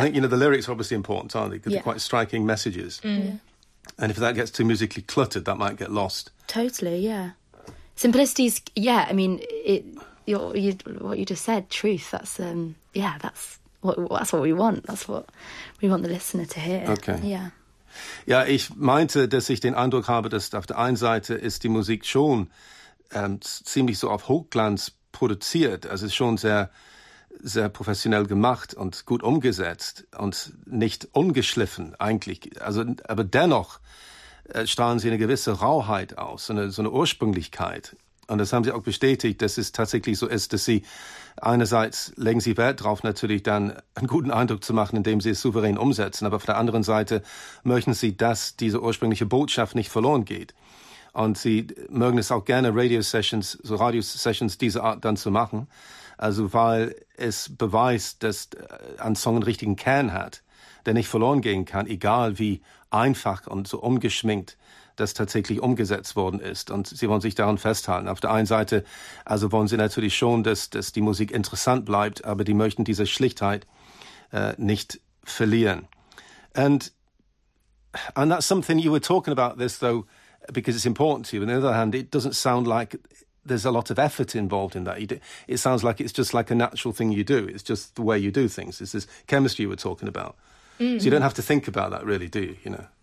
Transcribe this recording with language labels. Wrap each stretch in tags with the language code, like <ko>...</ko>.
<en>I think, you know, the lyrics are obviously important, aren't they? Because they're quite striking messages. Mm. And if that gets too musically cluttered, that might get lost. Totally, yeah. Simplicity is, yeah, I mean, it. What you just said, truth, that's, yeah, that's what we want. That's what we want the listener to hear. Okay. Yeah.</en> <de>Ja, ich meinte, dass ich den Eindruck habe, dass auf der einen Seite ist die Musik schon ziemlich so auf Hochglanz produziert. Also es ist schon sehr, sehr professionell gemacht und gut umgesetzt und nicht ungeschliffen eigentlich. Also, aber dennoch strahlen sie eine gewisse Rauheit aus, so eine Ursprünglichkeit. Und das haben sie auch bestätigt, dass es tatsächlich so ist, dass sie einerseits legen sie Wert drauf, natürlich dann einen guten Eindruck zu machen, indem sie es souverän umsetzen. Aber auf der anderen Seite möchten sie, dass diese ursprüngliche Botschaft nicht verloren geht. Und sie mögen es auch gerne, Radio-Sessions dieser Art dann zu machen. Also weil es beweist, dass ein Song einen richtigen Kern hat, der nicht verloren gehen kann, egal wie einfach und so ungeschminkt das tatsächlich umgesetzt worden ist. Und sie wollen sich daran festhalten. Auf der einen Seite also wollen sie natürlich schon, dass die Musik interessant bleibt, aber die möchten diese Schlichtheit nicht verlieren.</de> <en>And that's something you were talking about this, though, because it's important to you. On the other hand, it doesn't sound like there's a lot of effort involved in that. It sounds like it's just like a natural thing you do. It's just the way you do things. It's this chemistry you were talking about. Mm-hmm. So you don't have to think about that, really, do you? You know?</en>